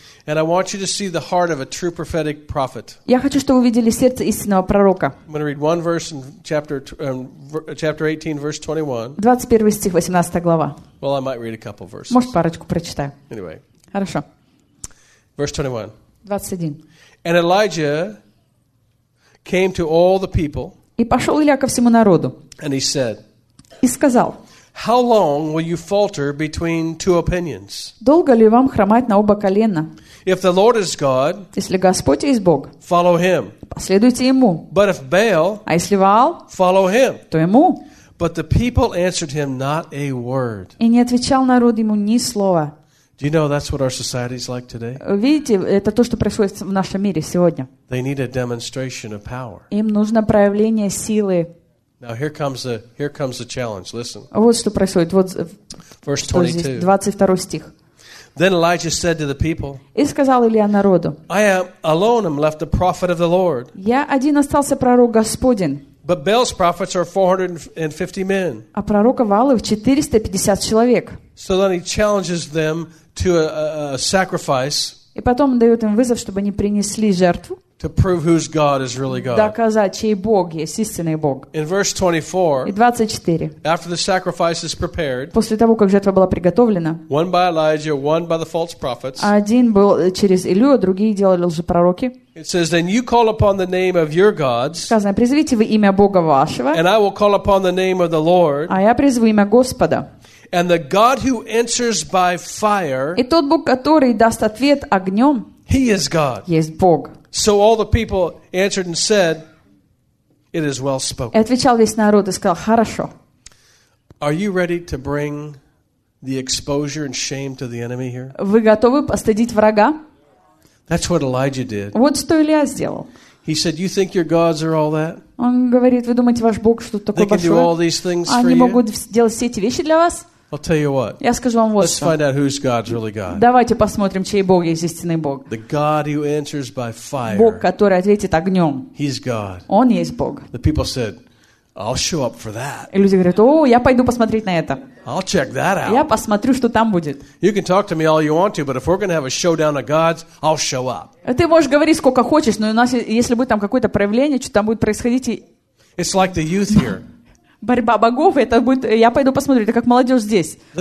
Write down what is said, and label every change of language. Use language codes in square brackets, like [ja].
[en] And I want you to see the heart of a true prophetic prophet. [ru] Я хочу, чтобы вы видели сердце истинного пророка. [en] I'm going to read one verse in chapter 18, verse 21. [ru] 21 стих, 18 глава. [en] Well, I might read a couple verses. [ru] Может, парочку прочитаю. [en] Anyway. [ru] Хорошо. [en] Verse 21. [ru] 21. [en] And Elijah came to all the people. [ru] И пошел Илья ко всему народу. [en] And he said. [ru] И сказал. [en] How long will you falter between two opinions? [ru] Долго ли вам хромать на оба колена? [en] If the Lord is God, [ru] если Господь есть Бог, [en] follow Him. [ru] Последуйте Ему. [en] But if Baal, [ru] а если Ваал, [en] follow Him. [ru] То Ему. [en] But the people answered Him not a word. [ru] И не отвечал народ Ему ни слова. [en] Do you know that's what our society is like today? [ru] Видите, это то, что происходит в нашем мире сегодня. [en] They need a demonstration of power. [ru] Им нужно проявление силы. [en] Now here comes the challenge. Listen. [ru] Вот что происходит. Вот [en] verse 22. [ru] 22 стих. [en] Then Elijah said to the people. [ru] И сказал Илья народу. [en] I am alone. I'm left a prophet of the Lord. [ru] Я один остался пророк Господень. [en] But Baal's prophets are 450 men. [ru] А пророка Ваалов 450 человек. [en] So then he challenges them to a sacrifice. [ru] И потом он дает им вызов, чтобы они принесли жертву. [en] To prove whose God is really God. [ru] Доказать, чей Бог есть истинный Бог. [en] In verse 24. After the sacrifice is prepared. [ru] После того, как жертва была приготовлена. [en] One by Elijah, one by the false prophets. [ru] Один был через Илию, а другие делали лжепророки. [en] It says, "Then you call upon the name of your gods." [ru] Сказано, призовите вы имя Бога вашего. [en] And I will call upon the name of the Lord. [ru] А я призову имя Господа. [en] And the God who answers by fire. [ru] И тот Бог, который даст ответ огнем. [en] He is God. [ru] Есть Бог. [en] So all the people answered and said, "It is well spoken." [ru] И отвечал весь народ и сказал: "Хорошо." [en] Are you ready to bring the exposure and shame to the enemy here? [ru] Вы готовы постыдить врага? [en] That's what Elijah did. [ru] Вот что Илия сделал. [en] He said, "You think your gods are all that?" [ru] Он говорит: "Вы думаете, ваш Бог что-то такое большое?" [en] They can do all these things for you. [ru] Они могут делать все эти вещи для вас? [en] I'll tell you what. [ru] Я скажу вам вот [en] Let's [ru] что. [en] Find out whose God's really God. [ru] Давайте посмотрим, чей Бог есть истинный Бог. [en] The God who answers by fire. [ru] Бог, который ответит огнем. [en] He's God. [ru] Он есть Бог. [en] The people said, "I'll show up for that." [ru] И люди говорят: "О, я пойду посмотреть на это." [en] I'll check that out. [ru] Я посмотрю, что там будет. [en] You can talk to me all you want to, but if we're going to have a showdown of gods, I'll show up. [ru] Ты можешь говорить сколько хочешь, но у нас, если будет там какое-то проявление, что там будет происходить, и... [en] It's like the youth here. [ru] Борьба богов, это будет, я пойду посмотрю, это как молодежь здесь.